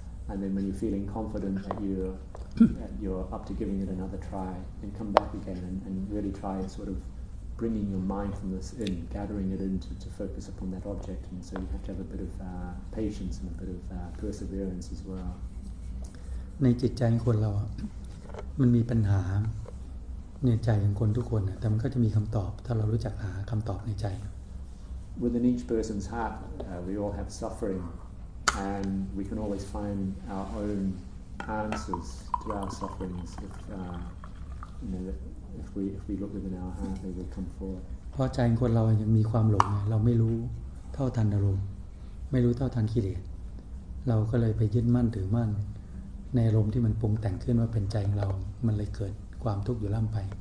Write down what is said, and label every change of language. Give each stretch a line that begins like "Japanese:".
English: And then when you're feeling confident that you're up to giving it another try, then come back again and really try sort of bringing your mindfulness in, gathering it in to focus upon that object. And so you have to have a bit of patience and a bit of perseverance as well.
Thai: ในจิตใจคนเรามันมีปัญหาในใจของคนทุกคนน่ะแต่มันก็จะมีคำตอบถ้าเรารู้จักหาคำตอบในใจ
English: Within each person's heart we all have suffering and we can always find our own answers to our sufferings if we look within our heart they will come forth
Thai: เพราะใจคนเรายังมีความหลงไงเราไม่รู้เท่าทันอารมณ์ไม่รู้เท่าทันกิเลสเราก็เลยไปยึดมั่นถือมั่นในอารมณ์ที่มันปรุงแต่งขึ้นมาเป็นใจของเรามันเลยเกิดความทุกข์อยู่ล่ำไป